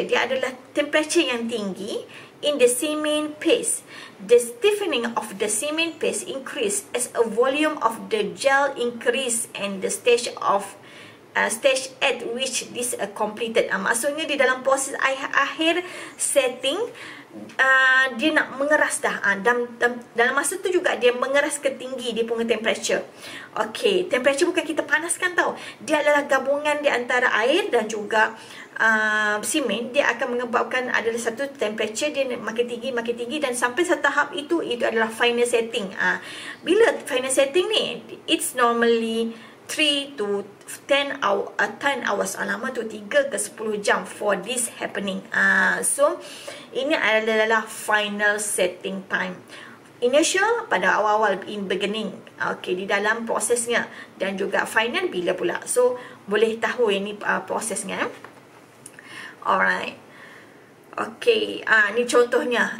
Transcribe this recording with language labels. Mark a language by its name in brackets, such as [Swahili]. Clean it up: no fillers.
[Malay] Dia adalah temperature yang tinggi [English] in the cement paste. The stiffening of the cement paste increase as a volume of the gel increase and the stage of stage at which this completed. [Malay] Maksudnya di dalam proses akhir setting, dia nak mengeras dah. Dalam masa tu juga dia mengeras ke tinggi dia punya temperature. Okay, temperature bukan kita panaskan tau. Dia adalah gabungan di antara air dan juga semen. Dia akan menyebabkan adalah satu temperature dia makin tinggi dan sampai setahap itu adalah final setting. Bila final setting ni, [English] it's normally 3 to 10 hours, [Malay] lama tu, 3 ke 10 jam [English] for this happening. [Malay] So, ini adalah final setting time. Initial pada awal-awal, [English] in beginning, okay, [Malay] di dalam prosesnya, dan juga final bila pula. So, boleh tahu ini prosesnya. Alright. Okay, ni contohnya.